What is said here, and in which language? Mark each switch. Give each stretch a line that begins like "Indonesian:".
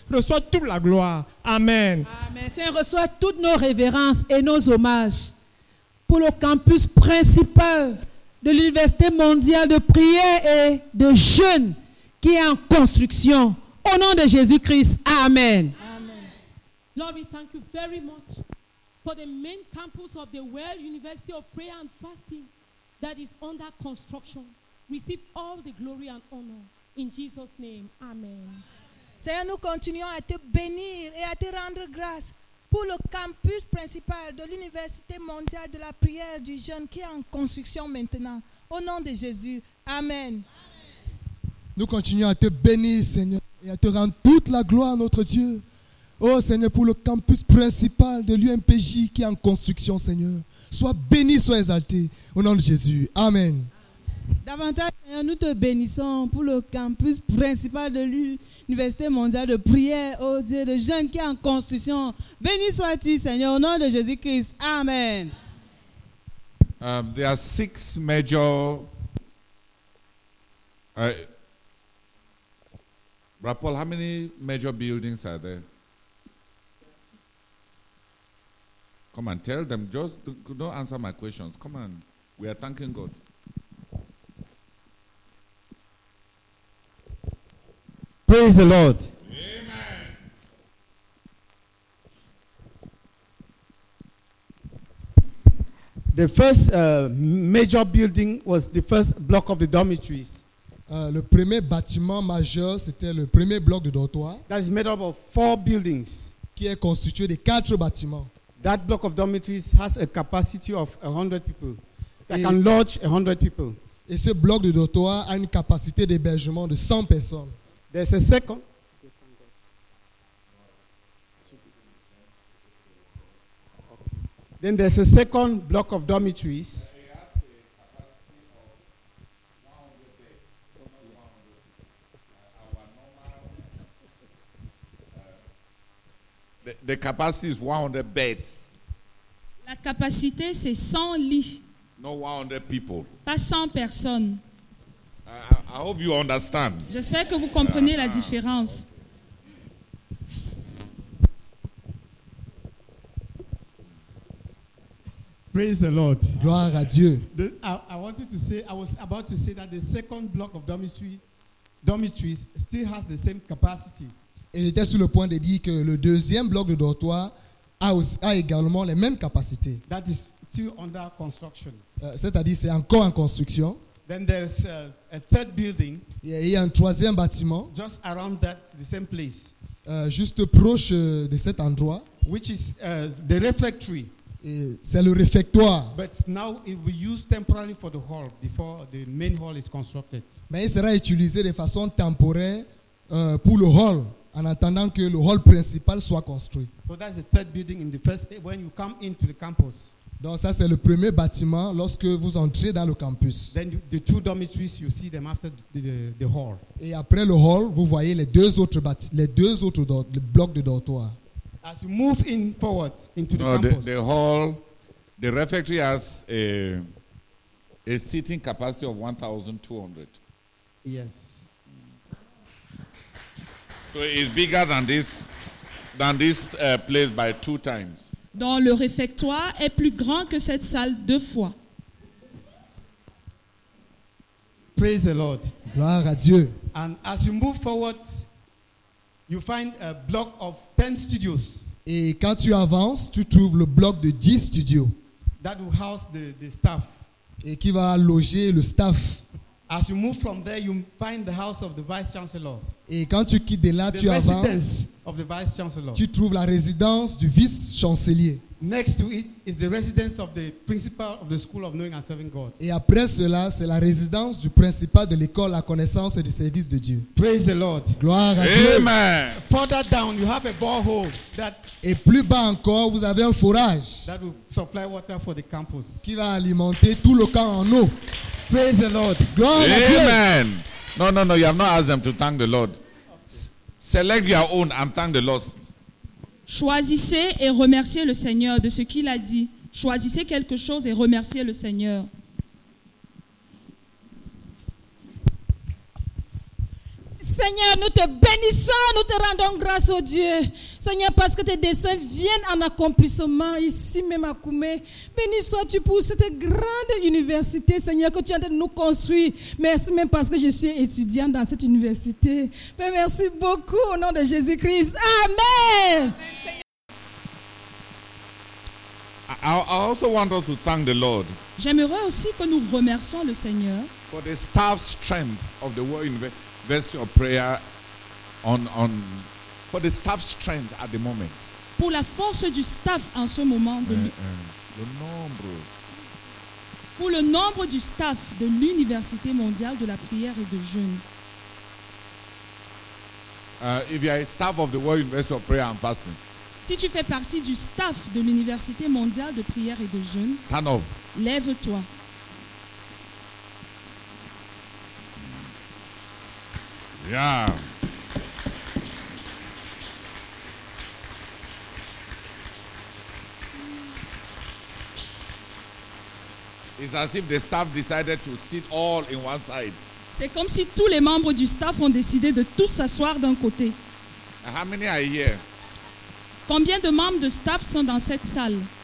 French: Reçois toute la gloire. Amen. Amen. Seigneur, reçois toutes nos révérences et nos hommages pour le campus principal de l'Université mondiale de prière et de jeûne qui est en construction. Au nom de Jésus-Christ, amen. Amen.
English: Lord, we thank you very much for the main campus of the World University of Prayer and Fasting that is under construction. Receive all the glory and honor in Jesus' name. Amen.
French: Seigneur, nous continuons à te bénir et à te rendre grâce pour le campus principal de l'Université mondiale de la prière du jeûne qui est en construction maintenant. Au nom de Jésus, amen. Amen. Nous continuons à te bénir, Seigneur, et à te rendre toute la gloire, notre Dieu. Oh Seigneur, pour le campus principal de l'UMPJ qui est en construction, Seigneur. Sois béni, sois exalté. Au nom de Jésus, amen. Davantage, Seigneur, nous te bénissons pour le campus principal de l'Université mondiale de prière, ô Dieu, de jeunes qui est en construction. Béni sois-tu, Seigneur, au nom de Jésus-Christ. Amen.
English: There are six major Rapol, how many major buildings are there? Come and tell them. Just don't answer my questions. Come on. We are thanking God. Praise the Lord. Amen. The first major building was the first block of the dormitories.
French: Le premier bâtiment majeur, c'était le premier bloc de dortoir.
English: That is made up of four buildings.
French: Qui est constitué de quatre bâtiments.
English: That block of dormitories has a capacity of 100 people. That can lodge 100 people.
French: Et ce bloc de dortoir a une capacité d'hébergement de 100 personnes.
English: There's a second. Then there's a second block of dormitories. The capacity is 100 beds.
French: La capacité c'est 100 lits.
English: Not 100 people.
French: Pas 100 personnes.
English: I hope you understand.
French: J'espère que vous comprenez la différence.
English: Praise the Lord.
French: Gloire à Dieu.
English: I was about to say that the second block of dormitories still has the same capacity.
French: Et j'étais sur le point de dire que le deuxième bloc de dortoir a également les mêmes capacités.
English: That is still under construction.
French: C'est-à-dire c'est encore en construction.
English: Then there's a third building.
French: Yeah, il y a un troisième bâtiment.
English: Just around that, the same place.
French: Juste proche de cet endroit.
English: Which is the refectory.
French: Et c'est le réfectoire.
English: But now it will be used temporarily for the hall before the main hall is constructed.
French: Mais il sera utilisé de façon temporaire pour le hall, en attendant que le hall principal soit construit.
English: So that's the third building in the first when you come into the campus.
French: Donc ça c'est le premier bâtiment lorsque vous entrez dans le campus.
English: Then the two dormitories you see them after the hall.
French: Et après le hall, vous voyez les deux autres blocs de dortoir.
English: As you move in forward into the campus. The hall, the refectory has a seating capacity of 1,200. Yes. So it's bigger than this place by two times.
French: Dans le réfectoire est plus grand que cette salle deux fois.
English: Praise the Lord.
French: Gloire à Dieu.
English: And as you move forward, you find a block of 10 studios.
French: Et quand tu avances, tu trouves le bloc de 10 studios.
English: That will house the staff.
French: Et qui va loger le staff.
English: As you move from there, you find the house of the vice chancellor.
French: Et quand tu quittes de là,
English: the
French: tu avances.
English: Of the vice chancellor.
French: Tu trouves la résidence du vice chancelier.
English: Next to it is the residence of the principal of the school of knowing and serving God.
French: Et après cela, c'est la résidence du principal de l'école la connaissance et du service de Dieu.
English: Praise the Lord.
French: Gloire à Amen. Dieu. Amen.
English: Further down, you have a borehole that.
French: Et plus bas encore, vous avez un forage.
English: That will supply water for the campus.
French: Qui va alimenter tout le camp en eau.
English: Praise the Lord.
French: Gloire Amen. À Dieu. Amen.
English: No, no, no. You have not asked them to thank the Lord. Select your own and thank the Lord.
French: Choisissez et remerciez le Seigneur de ce qu'il a dit. Choisissez quelque chose et remerciez le Seigneur. Seigneur, nous te bénissons, nous te rendons grâce au Dieu. Seigneur, parce que tes desseins viennent en accomplissement ici, même à Koumé. Béni sois-tu pour cette grande université, Seigneur, que tu es en train de nous construire. Merci même parce que je suis étudiante dans cette université. Mais merci beaucoup au nom de Jésus-Christ. Amen. Amen.
English: I also want us to thank the Lord.
French: J'aimerais aussi que nous remercions le Seigneur.
English: For the staff strength of the World University. Invest your prayer on for the staff strength at the moment.
French: Pour la force du staff en ce moment de le nombre. Pour le nombre du staff de l'Université mondiale de la prière et de jeûne.
English: If you are a staff of the World University of Prayer and Fasting.
French: Si tu fais partie du staff de l'Université mondiale de prière et de jeûne.
English: Stand up.
French: Lève-toi.
English: Yeah. It's as if the staff decided to sit all in one side.
French: C'est comme si tous les membres du staff ont décidé de tous s'asseoir d'un côté.
English: How many are here?
French: Combien de membres de staff sont dans cette salle?